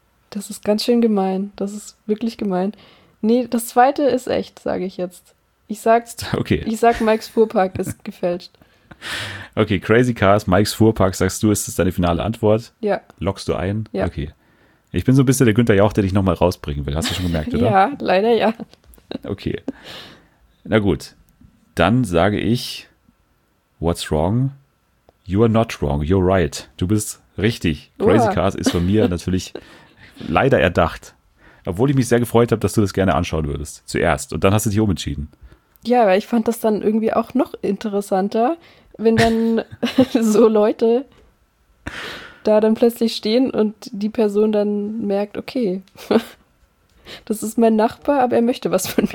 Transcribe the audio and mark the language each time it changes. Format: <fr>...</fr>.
<de>Das ist ganz schön gemein. Das ist wirklich gemein. Nee, das zweite ist echt, sage ich jetzt. Ich sag's. Okay. Ich sag, Mikes Fuhrpark ist gefälscht. Okay, Crazy Cars, Mikes Fuhrpark, sagst du, ist das deine finale Antwort? Ja. Lockst du ein? Ja. Okay. Ich bin so ein bisschen der Günther Jauch, der dich nochmal rausbringen will. Hast du schon gemerkt, oder? Ja, leider ja. Okay. Na gut. Dann sage ich, what's wrong?</de> <en>You are not wrong. You're right.</en> <de>Du bist richtig. Crazy Cars ist von mir natürlich... Leider erdacht. Obwohl ich mich sehr gefreut habe, dass du das gerne anschauen würdest. Zuerst. Und dann hast du dich umentschieden. Ja, aber ich fand das dann irgendwie auch noch interessanter, wenn dann so Leute da dann plötzlich stehen und die Person dann merkt, okay, das ist mein Nachbar, aber er möchte was von mir.</de>